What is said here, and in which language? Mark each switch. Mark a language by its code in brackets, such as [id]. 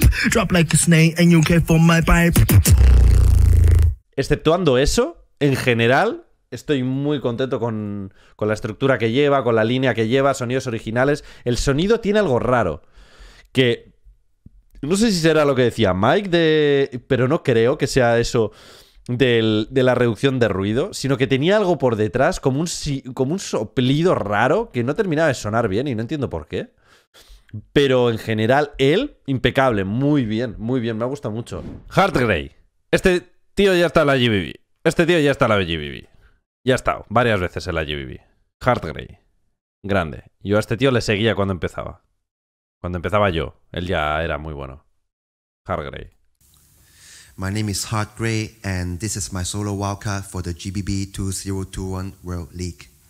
[en] Drop like a snake and you care for my pipe. [es] Exceptuando eso, en general, estoy muy contento con la estructura que lleva, con la línea que lleva, sonidos originales. El sonido tiene algo raro. Que no sé si será lo que decía Mike, pero no creo que sea eso de la reducción de ruido, sino que tenía algo por detrás, como un soplido raro que no terminaba de sonar bien y no entiendo por qué. Pero en general, él, impecable, muy bien, muy bien. Me ha gustado mucho. Heartgray. Este tío ya está en la GBB. Este tío ya está en la GBB. Ya está, varias veces en la GBB. Heartgray. Grande. Yo a este tío le seguía cuando empezaba. Cuando empezaba yo. Él ya era muy bueno. Heartgray. [en] My name is Heartgray and this is my solo wildcard for the GBB 2021 World League.